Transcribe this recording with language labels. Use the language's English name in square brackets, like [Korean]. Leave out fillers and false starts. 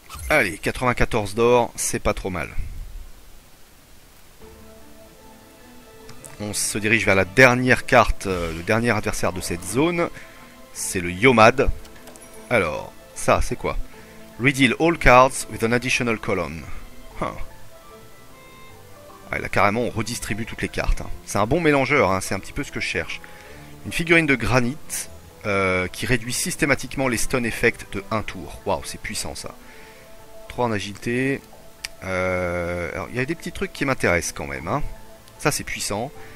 [French] Allez, 94 d'or, c'est pas trop mal. On se dirige vers la dernière carte, le dernier adversaire de cette zone. C'est le Yomad. Alors, ça, c'est quoi? [English] Reveal all cards with an additional column. [French] Ah, là, carrément, on redistribue toutes les cartes. Hein. C'est un bon mélangeur, hein, c'est un petit peu ce que je cherche. Une figurine de granit qui réduit systématiquement les stun effects de un tour. Waouh, c'est puissant ça. 3 en agilité. Alors, il y a des petits trucs qui m'intéressent quand même, hein. Ça c'est puissant.